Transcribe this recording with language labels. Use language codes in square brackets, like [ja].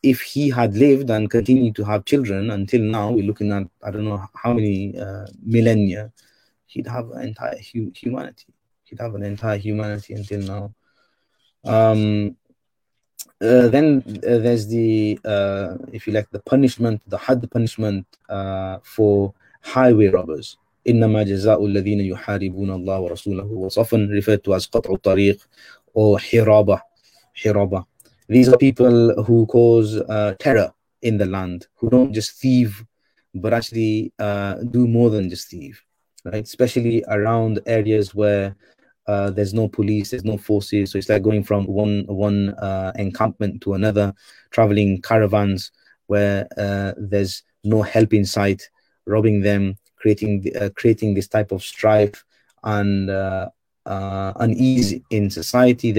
[en] If he had lived and continued to have children until now, we're looking at, I don't know how many millennia, he'd have an entire humanity. He'd have an entire humanity until now. Then there's the, if you like, the punishment, the had punishment for highway robbers. [ar] إِنَّمَا جَزَاءُ الَّذِينَ يُحَارِبُونَ اللَّهَ وَرَسُولَهُ [en] was often referred to as [ar] قَطْعُ الطَّرِيقِ or حِرَابَة. [en] These are people who cause terror in the land, who don't just thieve, but actually do more than just thieve, right? Especially around areas where there's no police, there's no forces. So it's like going from one encampment to another, traveling caravans where there's no help in sight, robbing them, creating this type of strife and unease in society.